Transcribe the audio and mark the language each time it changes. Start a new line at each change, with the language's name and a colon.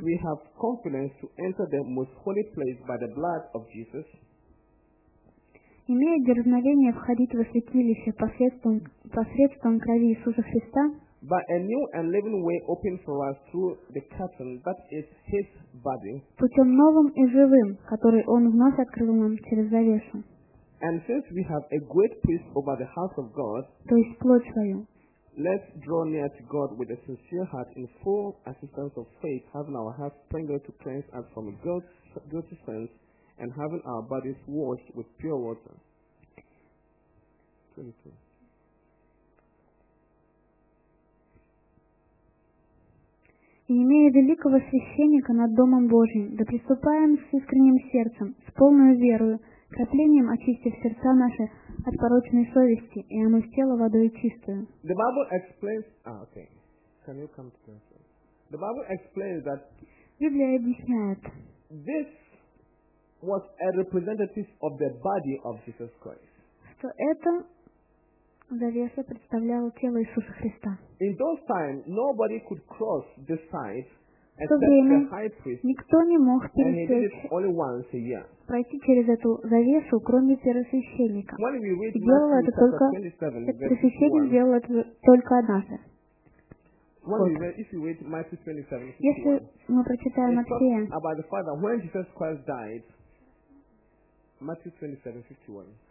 English: we have confidence to enter the most holy place by the blood of Jesus.
Russian: Имея дерзновение входить во святилище посредством крови Иисуса Христа.
English: By a new and living way opened for us through the curtain that is His body.
Russian: Путем новым и живым, который Он вновь открыл нам через завесу.
English: And since we have a great priest over the house of God,
Russian: то есть плоть свою,
English: let's draw near to God with a sincere heart in full assistance of faith, having our hearts sprinkled to cleanse us from guilty sins, and having our bodies washed with pure water. 22.
Russian: И имея великого священника над Домом Божьим, да приступаем с искренним сердцем, с полной верою, краплением очистив сердца наши от порочной совести, и омыв тело водой чистую.
English: The Bible explains... okay. Can you come to the answer? The Bible explains that...
Russian: Библия объясняет...
English: This was a representative of the body of Jesus Christ.
Russian: Что это... Завеса представляла тело Иисуса Христа.
English: In those times, nobody could cross the site except
Russian: время,
English: the high priest.
Russian: Никто не мог пройти через эту завесу, кроме первосвященника.
English: When we read Matthew 27:21,
Russian: однажды. Если мы прочитаем Матфея,
English: about the Father, when Jesus Christ died, Matthew 27:51.